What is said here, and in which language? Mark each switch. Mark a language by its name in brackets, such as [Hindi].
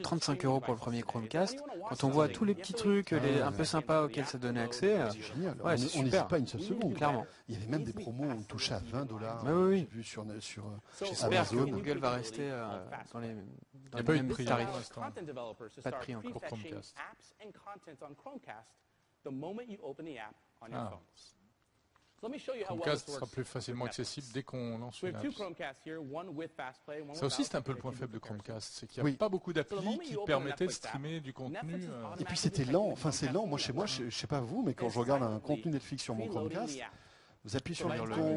[French] 35 euros pour le premier Chromecast. Quand on voit tous les petits trucs un peu sympas auxquels ça donnait accès, c'est génial. Ouais, c'est on n'hésite pas une seule seconde. Clairement. Il y avait même des promos où on touchait à $20. Mais oui, oui. Vu sur j'espère Amazon. Que Google va rester dans les mêmes tarifs. n'y a pas eu de prix. Pas de prix encore pour Chromecast. [English] Apps and content on Chromecast the moment you open the app on your phone. [French] Chromecast sera plus facilement accessible dès qu'on lance une app. Ça aussi, c'est un peu le point faible de Chromecast, c'est qu'il n'y a pas beaucoup d'applis qui permettaient de streamer du contenu. Et puis c'était lent, enfin c'est lent. Moi, chez moi, je ne sais pas vous, mais quand je regarde un contenu Netflix sur mon Chromecast, vous appuyez sur le bouton.